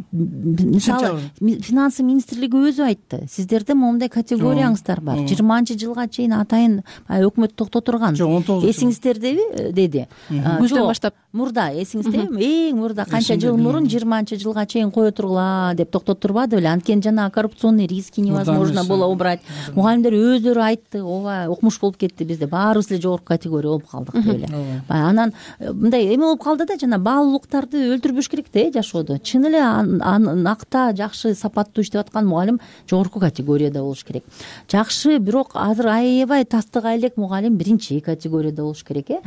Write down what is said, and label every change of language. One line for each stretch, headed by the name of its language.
Kyrgyz: Мисалы финансы министрлиги өзү айтты, сиздерде момундай категорияңыздар бар, 20 жылга чейин атайын өкмөт токтотурган. Жок, 19 эсиңиздердеби деди. Күздөн баштап мурда эсиңиздеби? Эң мурда канча жыл мурун 20 жылга чейин кое тургула деп токтоттурбады беле? Анткени жана
Russian: коррупционный риски невозможно было убрать.
Kyrgyz: Мугалимдер өздөрү айтты, ооба укмуш болуп кетти, бизде баарыбыз эле жогорку категория болуп калдык деп эле. Анан мындай эме болуп калды да, жана баалуулуктарды өлтүрбөш керек да жашоодо. Чын эле накта жакшы сапаттуу иштеп аткан мугалим жогорку категорияда болуш керек. Жакшы, бирок азыр аябай тастыга элек мугалим биринчи категорияда болуш керек.